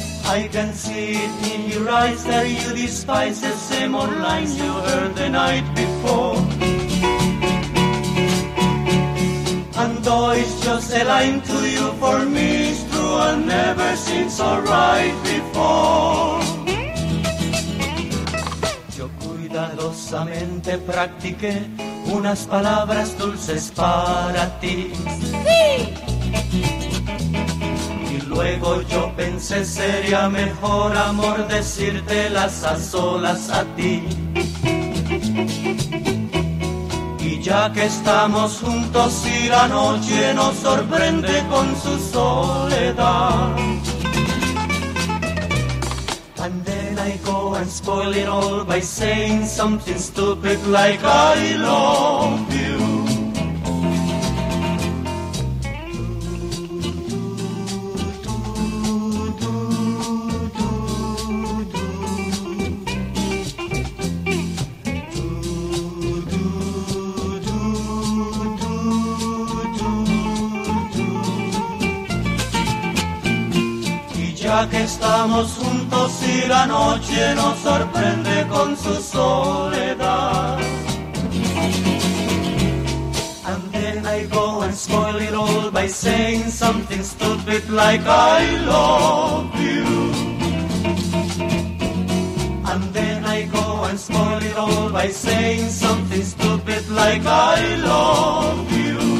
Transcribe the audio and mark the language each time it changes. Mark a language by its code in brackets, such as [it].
[en] I can see it in your eyes that you despise the same old lines you heard the night before. It's just a line to you, for me it's true and never seems so right before. [es] Yo cuidadosamente practiqué unas palabras dulces para ti. Sí. Y luego yo pensé sería mejor amor decírtelas a solas a ti. ya que estamos juntos y la noche nos sorprende con su soledad. [en] And then I go and spoil it all by saying something stupid like I love you. [es] Que estamos juntos y la noche nos sorprende con su soledad. [en] And then I go and spoil it all by saying something stupid like I love you. And then I go and spoil it all by saying something stupid like I love you.